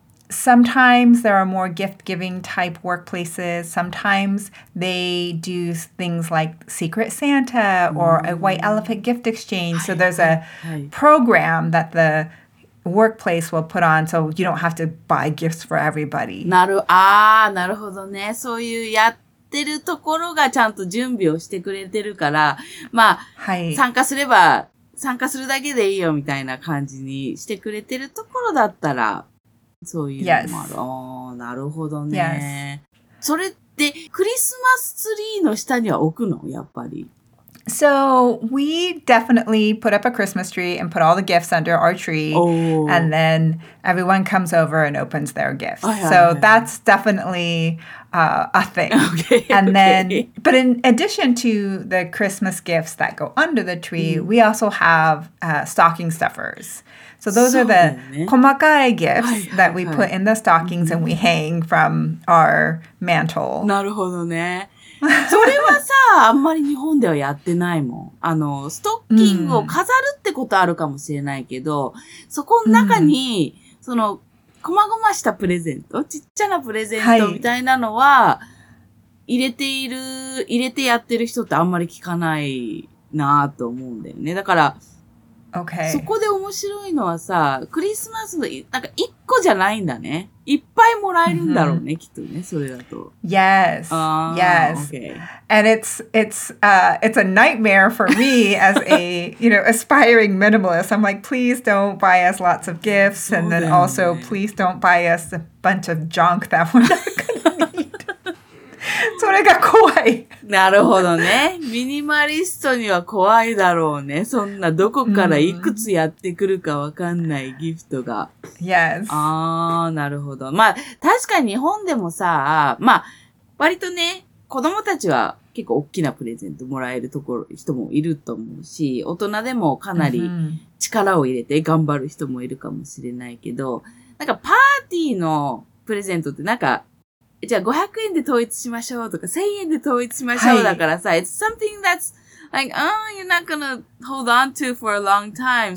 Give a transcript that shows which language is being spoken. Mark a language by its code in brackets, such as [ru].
[en] Sometimes there are more gift-giving type workplaces. Sometimes they do things like Secret Santa or a white elephant gift exchange. So there's a program that the workplace will put on so you don't have to buy gifts for everybody. [ja] なるほどね。そういうやってるところがちゃんと準備をしてくれてるから、まあ、参加すれば参加するだけでいいよみたいな感じにしてくれてるところだったら、そういうのもある。なるほどね。それってクリスマスツリーの下には置くの? やっぱり。 [en] So, we definitely put up a Christmas tree and put all the gifts under our tree. And then everyone comes over and opens their gifts. So, that's definitely a thing. Okay. But in addition to the Christmas gifts that go under the tree, we also have stocking stuffers. So, those are the [ja] 細かい [en] gifts that we put in the stockings and we hang from our mantle. [ja] なるほどね。それはさ、あんまり日本ではやってないもん。あの、ストッキングを飾るってことあるかもしれないけど、そこの中に、その、細々したプレゼント、ちっちゃなプレゼントみたいなのは、入れてやってる人ってあんまり聞かないなぁと思うんだよね。だから、 [en] Okay. [ja] そこで面白いのはさ、クリスマスのなんか一個じゃないんだね。いっぱいもらえるんだろうね、mm-hmm. きっとね、それだと。 [en] Yes. Yes. Okay. And it's a nightmare for me as a, you know, aspiring minimalist. I'm like, please don't buy us lots of gifts. And then also, please don't buy us a bunch of junk that we're not gonna need. [ja] それが怖い。なるほどね。ミニマリストには怖いだろうね。そんなどこからいくつやってくるかわかんないギフトが。 [en] Yes. [ja] ああ、なるほど。まあ、確かに日本でもさ、まあ、割とね、子供たちは結構大きなプレゼントもらえるところ、人もいると思うし、大人でもかなり力を入れて頑張る人もいるかもしれないけど、なんかパーティーのプレゼントってなんか、じゃあ500円で統一しましょうとか1000円で統一しましょうだからさ、はい、 [en] It's something that's like, oh, you're not gonna hold on to for a long time.